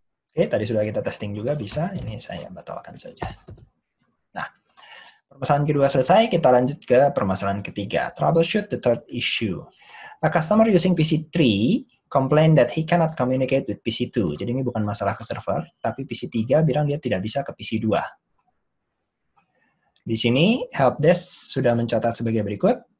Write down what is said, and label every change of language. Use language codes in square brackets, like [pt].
[id] Oke, tadi sudah kita testing juga bisa. Ini saya batalkan saja. Nah, permasalahan kedua selesai. Kita lanjut ke permasalahan ketiga. [en] Troubleshoot the third issue. A customer using PC3 complain that he cannot communicate with PC2. [id] Jadi ini bukan masalah ke server, tapi PC3 bilang dia tidak bisa ke PC2. Di sini helpdesk sudah mencatat sebagai berikut.